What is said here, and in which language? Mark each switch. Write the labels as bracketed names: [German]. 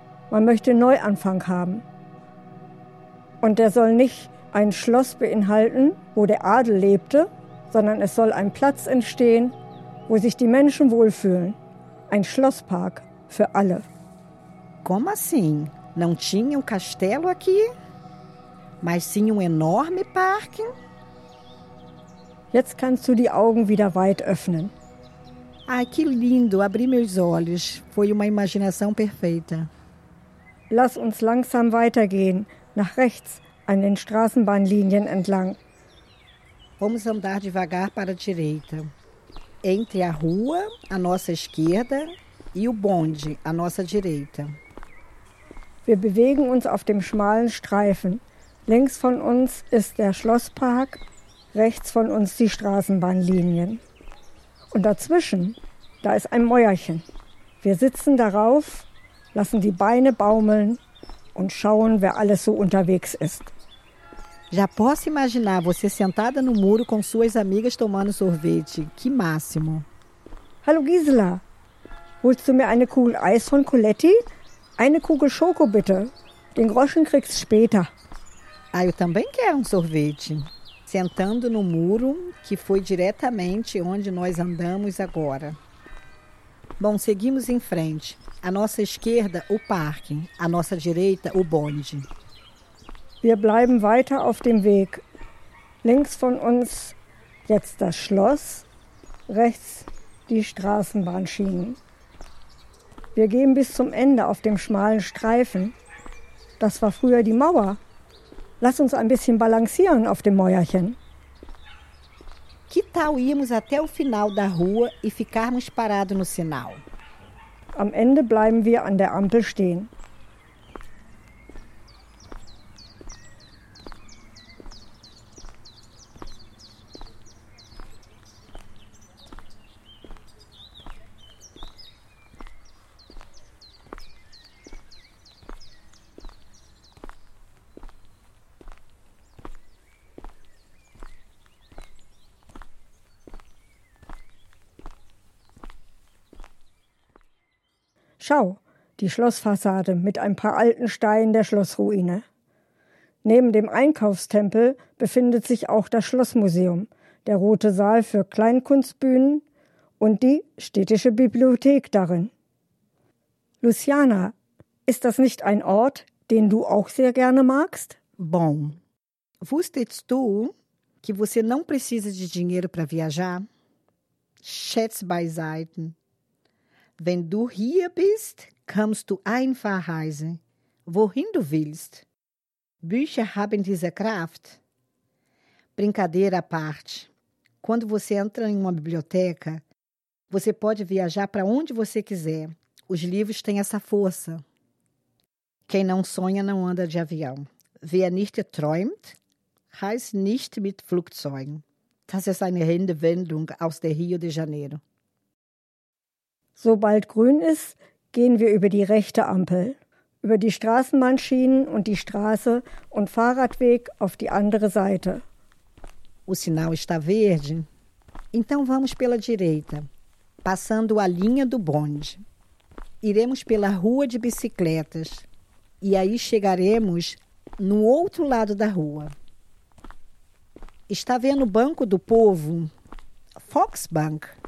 [German] Man möchte Neuanfang haben. Und der soll nicht ein Schloss beinhalten, wo der Adel lebte, sondern es soll ein Platz entstehen, wo sich die Menschen wohlfühlen. Ein Schlosspark für alle. [Portuguese] Como assim? Não tinha castelo aqui? Mas sim enorme parque? [German] Jetzt kannst du die Augen wieder weit öffnen. [Portuguese] Ai, que lindo! Abri meus olhos. Foi uma imaginação perfeita. [German] Lass uns langsam weitergehen, nach rechts, an den Straßenbahnlinien entlang. [Portuguese] Vamos andar devagar para a direita. Entre a rua, à nossa esquerda, e o bonde, à nossa direita. [German] Wir bewegen uns auf dem schmalen Streifen. Links von uns ist der Schlosspark, rechts von uns die Straßenbahnlinien. Und dazwischen, da ist ein Mäuerchen. Wir sitzen darauf, lassen die Beine baumeln und schauen, wer alles so unterwegs ist. [Portuguese] Já posso imaginar você sentada no muro com suas amigas tomando sorvete. Que máximo! [German] Hallo Gisela, holst du mir eine Kugel Eis von Coletti? Eine Kugel Schoko bitte. Den Groschen kriegst du später. [Portuguese] Ah, eu também quero um sorvete. Sentando no muro, que foi diretamente onde nós andamos agora. Bom, seguimos em frente. À nossa esquerda, o parque. À nossa direita, o bonde. [German] Wir bleiben weiter auf dem Weg. Links von uns jetzt das Schloss, rechts die Straßenbahnschienen. Wir gehen bis zum Ende auf dem schmalen Streifen. Das war früher die Mauer. Lass uns ein bisschen balancieren auf dem Mäuerchen. [Portuguese] Que tal irmos até o final da rua e ficarmos parado no sinal? [German] Am Ende bleiben wir an der Ampel stehen. Schau, die Schlossfassade mit ein paar alten Steinen der Schlossruine. Neben dem Einkaufstempel befindet sich auch das Schlossmuseum, der Rote Saal für Kleinkunstbühnen und die städtische Bibliothek darin. Luciana, ist das nicht ein Ort, den du auch sehr gerne magst? [Portuguese] Bom, [German] wusstest du, [Portuguese] que você não precisa de dinheiro para viajar? [German] Schätz beiseite. Wenn du hier bist, kannst du einfach reisen, wohin du willst. Bücher haben diese Kraft. [Portuguese] Brincadeira à parte, quando você entra em uma biblioteca, você pode viajar para onde você quiser. Os livros têm essa força. Quem não sonha não anda de avião. [German] Wer nicht träumt, reist nicht mit Flugzeugen. Das ist eine Redewendung aus der Rio de Janeiro. Sobald grün ist, gehen wir über die rechte Ampel, über die Straßenbahnschienen und die Straße und Fahrradweg auf die andere Seite. [Portuguese] O sinal está verde? Então vamos pela direita, passando a linha do bonde. Iremos pela rua de bicicletas e aí chegaremos no outro lado da rua. Está vendo o Banco do Povo? Volksbank.